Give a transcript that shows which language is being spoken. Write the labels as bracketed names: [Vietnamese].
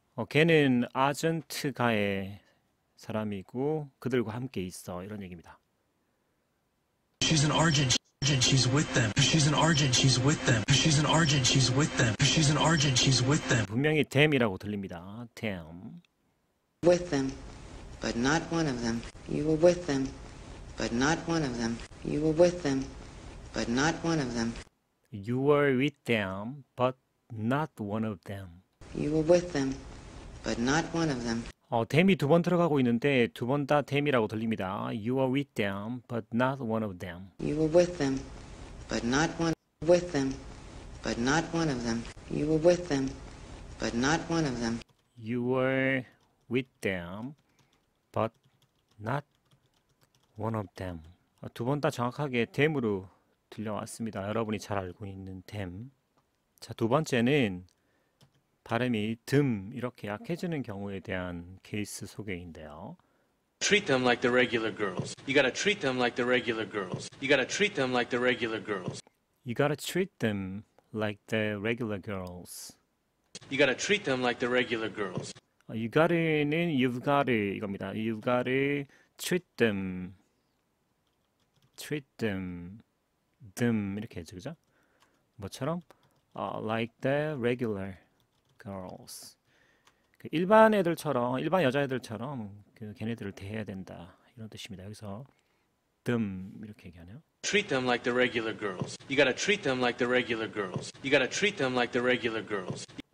[Korean] 걔는 아젠트가의 사람이고 그들과 함께 있어. 이런 얘기입니다. [English] She's an Argent, she's with them. She's an Argent, she's with them. She's an Argent, she's with them. She's an Argent, she's with them. [Korean] 분명히 댐이라고 들립니다. 댐. [English] With them. But not one of them. You were with them, but not one of them. You were with them, but not one of them. You were with them, but not one of them. You were with them, but not one of them. [Korean] 댐이 두번 들어가고 있는데 두번다 댐이라고 들립니다. [English] You are with them, but not one of them. You were with them, but not one with them, but not one of them. You were with them, but not one of them. You were with them, but not one of them. [Korean] 두번다 정확하게 댐으로 들려왔습니다. 여러분이 잘 알고 있는 댐. 자, 두 번째는 발음이 듬 이렇게 약해지는 경우에 대한 케이스 소개인데요. [English] Treat them like the regular girls. You gotta treat them like the regular girls. You gotta treat them like the regular girls. You gotta treat them like the regular girls. You gotta treat them like the regular girls. You gotta는 you've gotta [Korean] 이겁니다. [English] You've gotta treat them [Korean] 이렇게 해주죠. 뭐처럼 [English] like the regular girls. [Korean] 일반 애들처럼, 일반 여자애들처럼 걔네들을 대해야 된다. 이런 뜻입니다. 여기서 them 이렇게 얘기하네요. [English] Treat them like the regular girls. You gotta treat them like the regular girls. You gotta treat them like the regular girls.